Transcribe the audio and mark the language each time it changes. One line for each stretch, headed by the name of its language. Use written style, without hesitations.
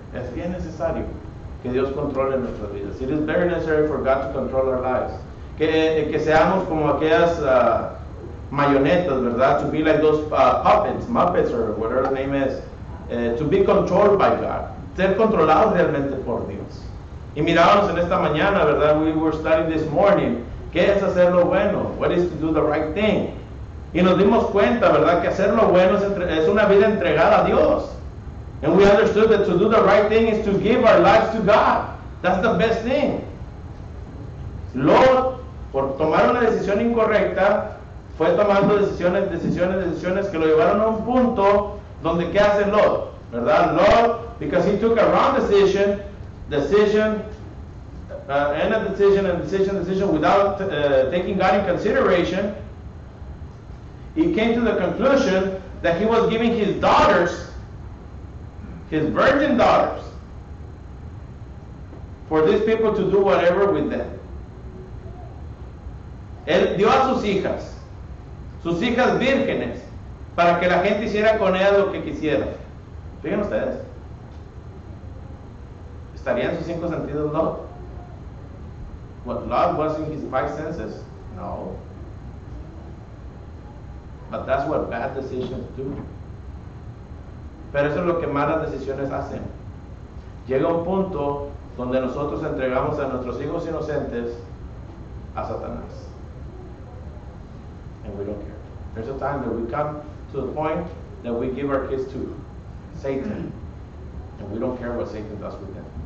Spanish: Es bien necesario que Dios controle nuestras vidas.
English: It is very necessary for God to control our lives.
Spanish: Que seamos como aquellas marionetas, ¿verdad?
English: To be like those puppets or whatever the name is. To be controlled by God.
Spanish: Ser controlados realmente por Dios. Y mirábamos en esta mañana, ¿verdad?
English: We were studying this morning.
Spanish: ¿Qué es hacer lo bueno?
English: What is to do the right thing?
Spanish: Y nos dimos cuenta, ¿verdad? Que hacer lo bueno es una vida entregada a Dios.
English: And we understood that to do the right thing is to give our lives to God. That's the best thing.
Spanish: Lot, por tomar una decisión incorrecta, fue tomando decisiones que lo llevaron a un punto donde ¿qué hace Lot? ¿Verdad?
English: Lot, because he took a wrong decision without taking God in consideration, he came to the conclusion that he was giving his daughters, his virgin daughters, for these people to do whatever with them.
Spanish: Él dio a sus hijas sus hijas vírgenes, para que la gente hiciera con ellas lo que quisiera. Fíjense ustedes. ¿Estaría en sus cinco sentidos?
English: No. What Lot was in his five senses? No. But that's what bad decisions do.
Spanish: Pero eso es lo que malas decisiones hacen. Llega un punto donde nosotros entregamos a nuestros hijos inocentes a Satanás.
English: And we don't care. There's a time that we come to the point that we give our kids to Satan. And we don't care what Satan does with them.